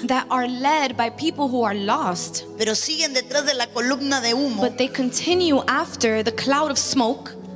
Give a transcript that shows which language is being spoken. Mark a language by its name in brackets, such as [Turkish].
[English] That are led by people who are lost. [Spanish] Pero siguen detrás de la columna de humo. [English] But they continue after the cloud of smoke.